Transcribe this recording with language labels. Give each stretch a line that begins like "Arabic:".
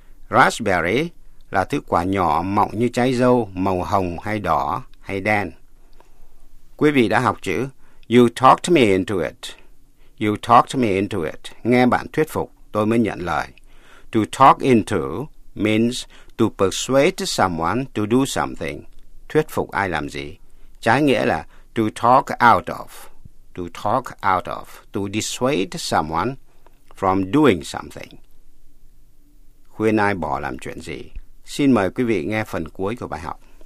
Vietnamese: Raspberry là thứ quả nhỏ mọng như trái dâu, màu hồng hay đỏ hay đen. Quý vị đã học chữ
English: you talked me into it. You talked me into it.
Vietnamese: Nghe bạn thuyết phục, tôi mới nhận lời.
English: To talk into means to persuade someone to do something.
Vietnamese: Thuyết phục ai làm gì? Trái nghĩa là
English: to talk out of. To talk out of. To dissuade someone from doing something.
Vietnamese: Khuyên ai bỏ làm chuyện gì? Xin mời quý vị nghe phần cuối của bài học.